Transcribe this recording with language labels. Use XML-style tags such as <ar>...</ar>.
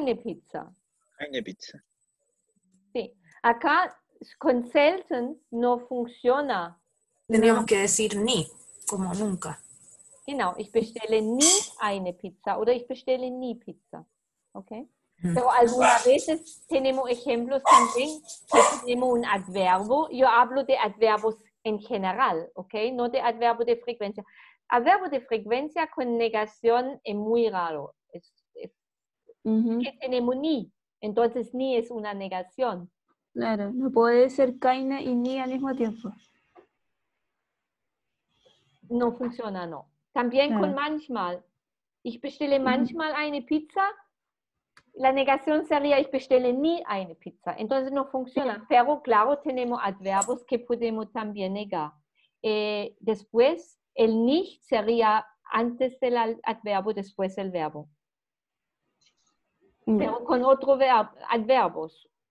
<de>Ich bestelle keine Pizza.</de> <es>Sí. Acá con selten no funciona. Tendríamos que decir ni, como nunca.</es> <de>Genau, ich bestelle nie eine Pizza oder ich bestelle nie Pizza.</de> <es>Okay? Pero algunas veces tenemos ejemplos también que tenemos un adverbo. Yo hablo de adverbos en general, okay? No de adverbo de frecuencia. Adverbo de frecuencia con negación es muy raro. Es que tenemos nie. Entonces, nie es una negación. Claro, no puede ser keine y nie al mismo tiempo. No funciona, no. También con manchmal.</es> <de>Ich bestelle manchmal eine Pizza.</de> <es>La negación sería</es> <de>ich bestelle nie eine Pizza.</de> <es>Entonces no funciona. Pero claro, tenemos adverbos que podemos también negar. Después, el nicht sería antes del adverbo, después el verbo. Pero con otro verbo, adverbos.</es>